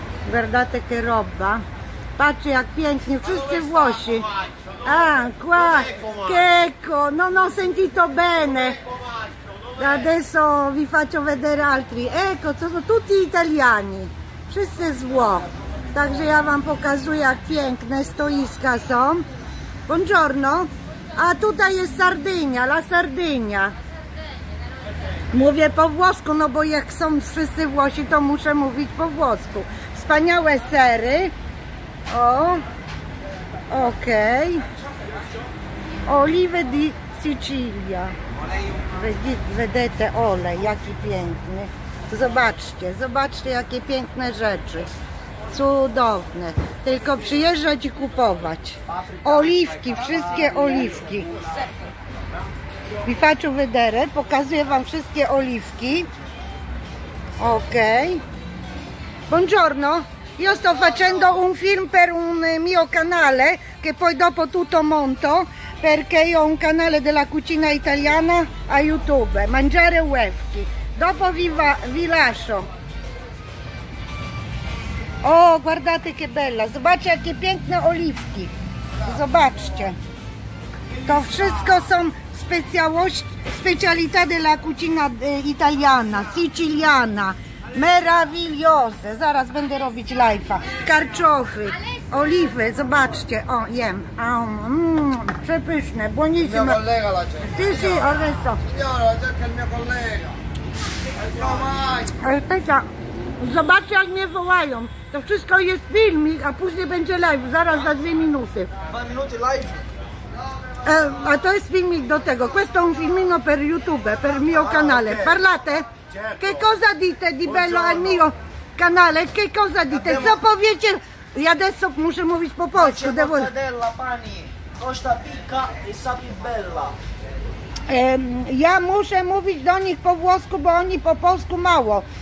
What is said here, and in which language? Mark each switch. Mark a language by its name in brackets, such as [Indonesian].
[Italian] Guardate che roba. Pace a pienti, tutti vuoti. Ah, qua. Che ecco, non ho sentito bene. Adesso vi faccio vedere altri. Ecco, sono tutti italiani. [Polish] Wszyscy zło. Także ja vam pokazuję, jak piękne stoiska są. Buongiorno. A tutaj jest Sardynia, la Sardynia. Mówię po włosku, no bo jak są wszyscy Włosi, to muszę mówić po włosku. Wspaniałe sery. O. Okej. Okay. [Italian] Olive di Sicilia. [Polish] Vedete olej, jaki piękny. Zobaczcie, zobaczcie, jakie piękne rzeczy. Cudowne. Tylko przyjeżdżać i kupować. Oliwki, wszystkie oliwki. Vi faccio vedere, pokazuję wam wszystkie oliwki. Ok. Buongiorno. [Italian] Io sto facendo un film per un mio canale che poi dopo tutto monto, perché io ho un canale della cucina italiana a YouTube, Mangiare Wefki. Dopo vi lascio. [Polish] Oh, guardate che bella, zobaczcie jakie piękne oliwki. [Italian] Zobaczcie. To wszystko są specjalità della cucina italiana, siciliana. [Polish] Meravigliose. Zaraz będę robić live'a. Karczofy, oliwy, zobaczcie. O, jem. Przepyszne, buonissime. [Italian] Mio collega la cerca. Sì, sì, adesso. Signora, la cerca il mio collega. [Polish] Aspetta, zobaczcie jak mnie wołają. To wszystko jest filmik, a później będzie live, zaraz za 2 minuty. 2 minuty live? A to jest filmik do tego. [Italian] Questo è un filmino per YouTube, per il mio canale. Okay. Parlate? Certo. Che cosa dite di Buongiorno. Bello al mio canale? Che cosa dite? Abbiamo... Co powiecie? [Polish] E adesso muszę mówić po polsku. [Italian] C'è devo... mortadella, pani. Costa picca e sapi bella. [Polish] Ja muszę mówić do nich po włosku, bo oni po polsku mało.